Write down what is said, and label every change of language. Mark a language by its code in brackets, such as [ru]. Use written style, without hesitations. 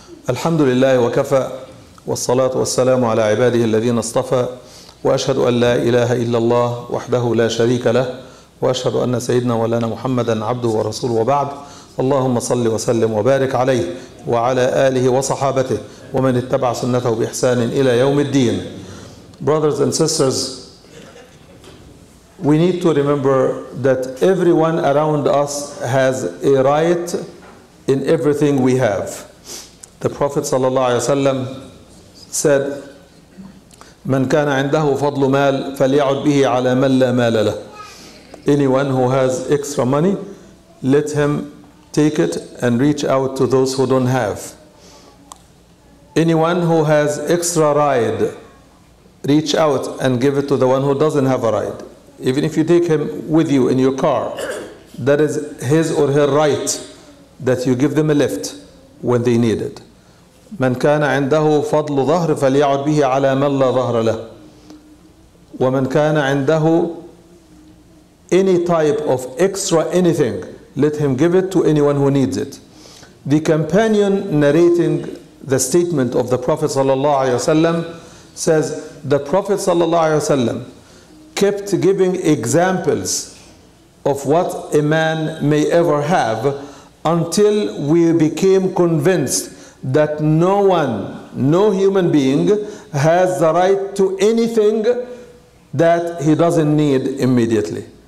[ar] الحمد لله وكفى والصلاة والسلام على عباده الذين اصطفى وأشهد أن لا إله إلا الله وحده لا شريك له وأشهد أن سيدنا مولانا محمدا عبده ورسوله وبعد اللهم صل وسلم وبارك عليه وعلى آله وصحابته ومن اتبع سنته بإحسان إلى يوم الدين. [en] Brothers and sisters, we need to remember that everyone around us has a right in everything we have. The Prophet ﷺ said, [ar] "من كان عنده فضل مال فليعد به على من لا مال له." [en] Anyone who has extra money, let him take it and reach out to those who don't have. Anyone who has extra ride, reach out and give it to the one who doesn't have a ride. Even if you take him with you in your car, that is his or her right that you give them a lift when they need it. [ar] من كان عنده فضل ظهر فليعد به على من لا ظهر له ومن كان عنده [en] any type of extra anything, let him give it to anyone who needs it. The companion narrating the statement of the Prophet صلى الله عليه وسلم says, the Prophet صلى الله عليه وسلم kept giving examples of what a man may ever have until we became convinced that no one, no human being has the right to anything that he doesn't need immediately.